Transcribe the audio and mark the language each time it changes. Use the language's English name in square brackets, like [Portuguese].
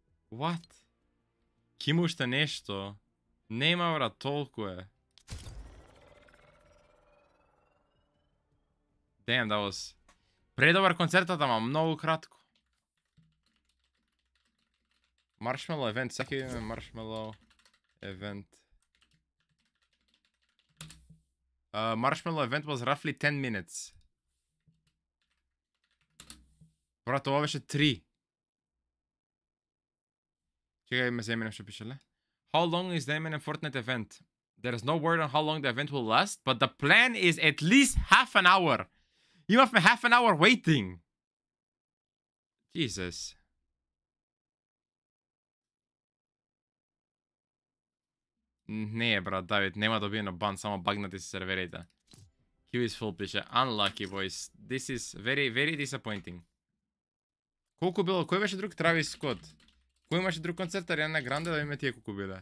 [English] What? [Macedonian] Ким уште нешто? Нема брат, толку е. [English] Damn, that was... [Macedonian] Предобар концертот, ама многу кратко. Marshmallow event, сеќа имаме Marshmallow event. [English] Marshmallow event was roughly 10 minutes. [Macedonian] Брат, ова беше 3. Чекай, ме за Eminem што пишеле. [English] How long is the Eminem Fortnite event? There is no word on how long the event will last, but the plan is at least half an hour. [Macedonian] Имавме [English] half an hour waiting. Jesus. [Macedonian] Не е брат, Давид, нема да добиено бан, само багнати се серверите. [English] Queue is full [Macedonian] пише, [English] unlucky boys. This is very, very disappointing. [Macedonian] Колку било, кој беше друг? [English] Travis Scott. [Macedonian] Кој имаше друг концерт, Ariana Grande, да име тие колку биле.